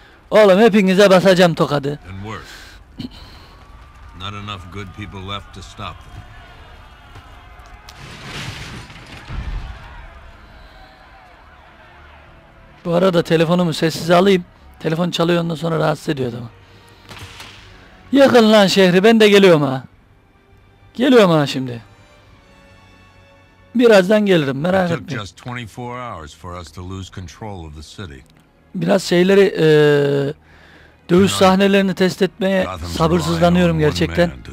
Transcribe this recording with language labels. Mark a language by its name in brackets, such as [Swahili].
[Turkish] Oğlum hepinize basacağım tokadı. [English] And worse. Not enough good people left to stop them. [Turkish] Bu arada telefonumu sessize alayım. Telefon çalıyor, ondan sonra rahatsız ediyor adamı. Yakın lan şehri, ben de geliyorum ha. Geliyorum ha şimdi. Birazdan gelirim, merak etme. [English] Just 24 hours for us to lose control of the city. [Turkish] Biraz şeyleri dövüş sahnelerini test etmeye sabırsızlanıyorum gerçekten.